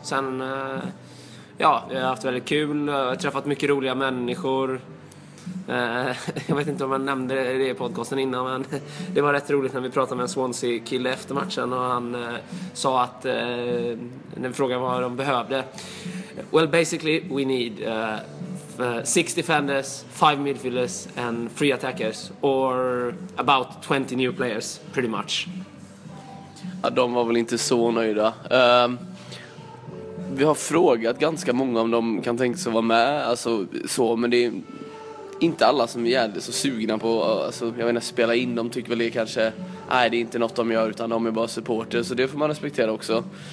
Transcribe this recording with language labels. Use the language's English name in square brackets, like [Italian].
[Swedish] Sen, ja, jag har haft väldigt kul. Jag har träffat mycket roliga människor. Jag vet inte om man nämnde det i podcasten innan, men det var rätt roligt när vi pratade med en Swansea-kille efter matchen, och han sa att den frågan var vad de behövde. [English] Well, basically we need 6 defenders, 5 midfielders and 3 attackers, or about 20 new players pretty much. [Swedish] Ja, de var väl inte så nöjda. Vi har frågat ganska många om de kan tänka sig vara med, alltså så, men det inte alla som är så sugna på, alltså, jag vet inte, spela in. De tycker väl det kanske, nej, det är inte något de gör, utan de är bara supporter, så det får man respektera också.